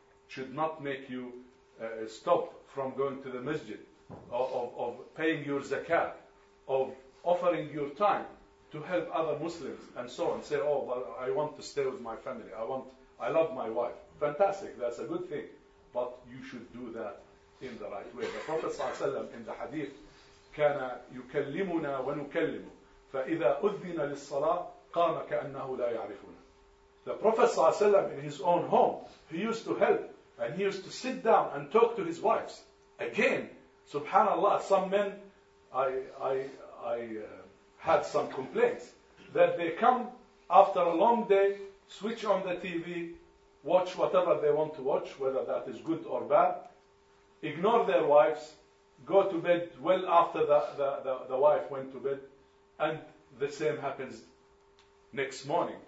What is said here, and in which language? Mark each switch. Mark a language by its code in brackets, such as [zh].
[en] It should not make you stop from going to the masjid, of paying your zakat, of offering your time to help other Muslims, and so on. Say, oh, well, I want to stay with my family. I love my wife. Fantastic, that's a good thing. But you should do that in the right way. The Prophet ﷺ in the hadith, [ar] كَانَ يُكَلِّمُنَا وَنُكَلِّمُ فَإِذَا أُذِّنَ لِلصَّلَاةِ قَامَ كَأَنَّهُ لَا يَعْرِفُنَا. [en] The Prophet ﷺ in his own home, he used to help, and he used to sit down and talk to his wives. Again, subhanAllah, some men, I had some complaints, that they come after a long day, switch on the TV, watch whatever they want to watch, whether that is good or bad, ignore their wives, go to bed well after the wife went to bed, and the same happens next morning.